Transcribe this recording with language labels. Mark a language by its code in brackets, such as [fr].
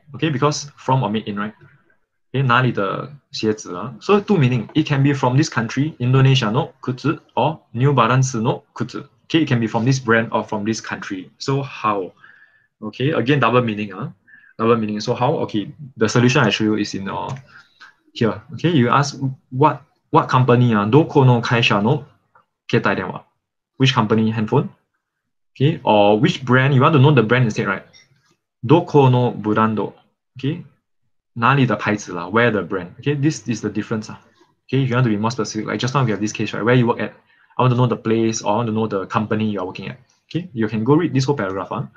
[en] Okay. Because from or made in, right? Okay, [zh] 哪里的鞋子啊? [en] So two meaning. It can be from this country, Indonesia の靴 or New Balance の靴. Okay, it can be from this brand or from this country. So how? Okay, again, double meaning. Double meaning. So how? Okay, the solution I show you is in here. Okay, you ask what company? [ja] どこの会社の携帯電話? [en] Which company handphone? Okay, or which brand? You want to know the brand instead, right? [ja] どこのブランド? [en] Okay. [zh] 哪里的牌子啦? [en] Where the brand? Okay, this is the difference. Okay, if you want to be more specific, like just now we have this case, right? Where you work at? I want to know the place or I want to know the company you are working at. Okay, you can go read this whole paragraph.